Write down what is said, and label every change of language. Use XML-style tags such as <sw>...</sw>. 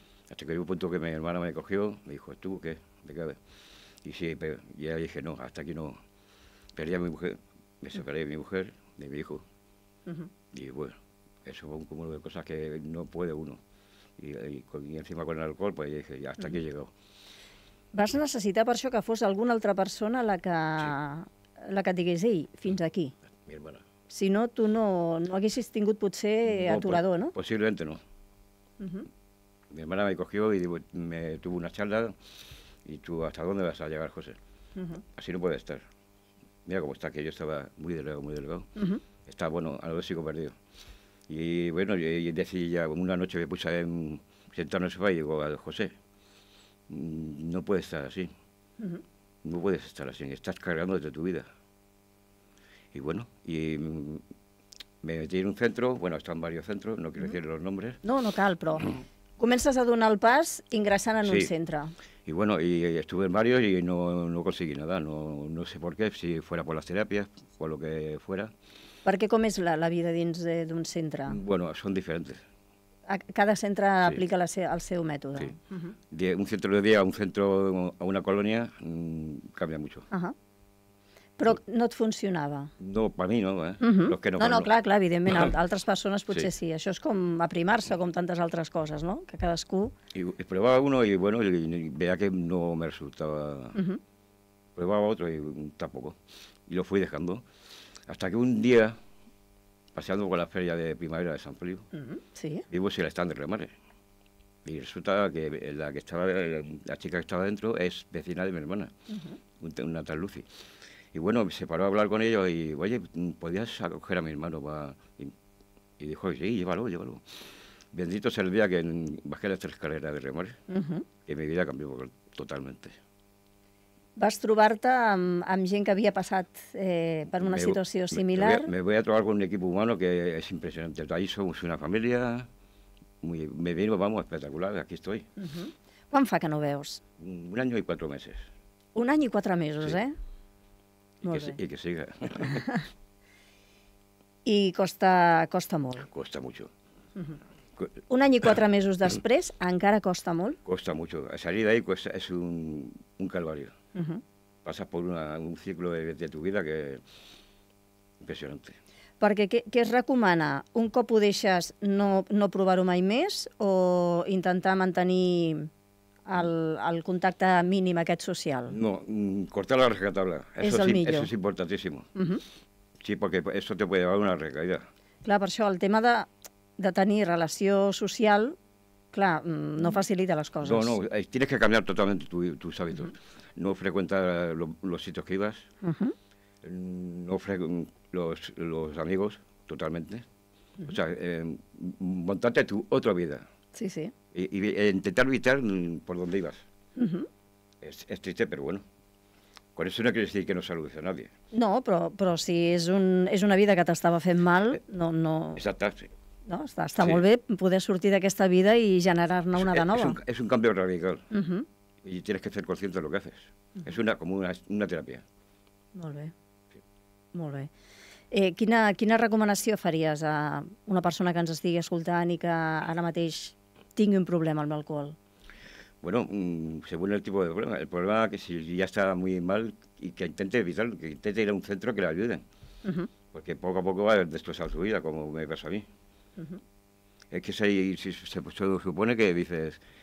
<es>Hasta que hubo un punto que mi hermana me cogió, me dijo, ¿tú qué? ¿De qué? Y sí, pero ya dije, no, hasta aquí no. Perdí a mi mujer, me separé de mi mujer, de mi hijo. Y bueno, eso fue un cúmulo de cosas que no puede uno. Y encima con el alcohol, pues dije, ya hasta aquí he llegado.</es> <ca>Vas necessitar per això que fos alguna altra persona la que et digués, ei, fins aquí.</ca> <es>Mi hermana.</es> <ca>Si no, tu no haguessis tingut potser aturador, no?</ca> <es>Possiblemente no. Mi hermana me cogió y me tuvo una charla y tú, ¿hasta dónde vas a llegar, José? Así no puede estar. Mira cómo está, que yo estaba muy delgado, muy delgado. Está bueno, a lo mejor sigo perdido. Y bueno, y decía ya, una noche me puse en sentado en el sofá y digo, José, no puedes estar así. No puedes estar así, estás cargando desde tu vida. Y bueno, y me metí en un centro, bueno, están varios centros, no quiero decir los nombres.</es> <ca>No cal, però comences a donar el pas ingressant en un centre.</ca> <es>Y bueno, y estuve en varios y no conseguí nada, no sé por qué, si fuera por las terapias, por lo que fuera.</es> <ca>Per què, com és la vida dins d'un centre?</ca> <es>Bueno, son diferentes.</es> <ca>Cada centre aplica el seu mètode. Sí. Un centre de dia, un centre a una colònia, canvia mucho. Però no et funcionava. No, per mi no,</ca> <es>Los que no.</es> <ca>No, clar, evidentment, altres persones potser sí. Això és com aprimar-se, com tantes altres coses, no? Que cadascú...</ca> <es>Y probaba uno y bueno, y veía que no me resultaba... Probaba otro y tampoco. Y lo fui dejando. Hasta que un día, paseando por la feria de primavera de San Feliu, vivo si la están de Remares. Y resulta que la chica que estaba dentro es vecina de mi hermana, una tal Lucy. Y bueno, se paró a hablar con ellos y, oye, ¿podías acoger a mi hermano? Y dijo, sí, llévalo. Bendito sea el día que bajé las tres escaleras de Remares, que mi vida cambió totalmente.</es> <ca>Vas trobar-te amb gent que havia passat per una situació similar.</ca> <es>Me voy a trobar con un equipo humano que es impresionante. Ahí somos una familia, me vino, vamos, espectacular, aquí estoy.</es> <ca>Quan fa que no veus?</ca> <es>Un año y cuatro meses.</es> <ca>Un any i quatre mesos, sí. Molt bé. I que siga. I costa molt.</ca> <es>Costa mucho.</es> <ca>Un any i quatre mesos després encara costa molt?</ca> <es>Costa mucho. Salir de ahí es un calvario.</es> <ca>Passes per un ciclo de tu vida que és impressionant. Perquè què es recomana? Un cop ho deixes, no provar-ho mai més o intentar mantenir el contacte mínim aquest social?</ca> <es>No, cortar la rescatable.</es> <ca>És el millor.</ca> <es>Eso es importantísimo. Sí, porque eso te puede llevar una recaída.</es> <ca>Clar, per això el tema de tenir relació social, clar, no facilita les coses.</ca> <es>No, tienes que cambiar totalmente tus hábitos. No frecuentar los sitios que ibas, no los amigos totalmente. O sea, montarte tu otra vida. Sí, sí. Y intentar evitar por donde ibas. Es triste, pero bueno. Con eso no quiere decir que no saludes a nadie.</es> <ca>No, però si és una vida que t'estava fent mal, no... Exacte, sí. No, està molt bé poder sortir d'aquesta vida i generar-ne una de nova. És un canvi radical.</ca> <es>Y tienes que ser consciente de lo que haces. Es como una terapia.</es> <ca>Molt bé. Sí. Molt bé. Quina recomanació faries a una persona que ens estigui escoltant i que ara mateix tingui un problema amb l'alcohol?</ca> <es>Bueno, según el tipo de problema. El problema es que si ya está muy mal y que intente evitarlo, que intente ir a un centro que le ayude. Porque poco a poco va a destrozar su vida, como me pasó a mí. Es que se supone que dices,</es>